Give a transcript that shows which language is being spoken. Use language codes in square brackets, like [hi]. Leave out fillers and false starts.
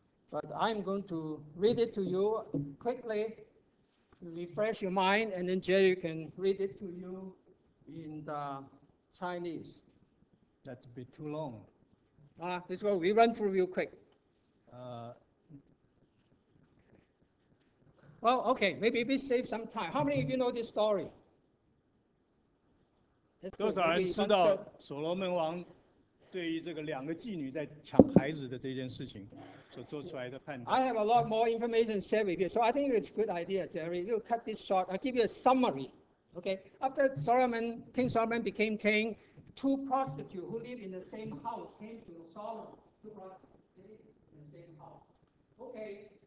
[en] But I'm going to read it to you quickly, refresh your mind, and then Jerry can read it to you in the Chinese. That's a bit too long. This one, we run through real quick. Well, okay, maybe we save some time. How many of you know this story? [zh] 多少人知道所罗门王对于这个两个妓女在抢孩子的这件事情所做出来的判断。 [en] I have a lot more information to share with you, so I think it's a good idea, Jerry. You cut this short. I'll give you a summary. Okay. After Solomon, King Solomon became king, two prostitutes who live in the same house came to Solomon. Two prostitutes in the same house. Okay.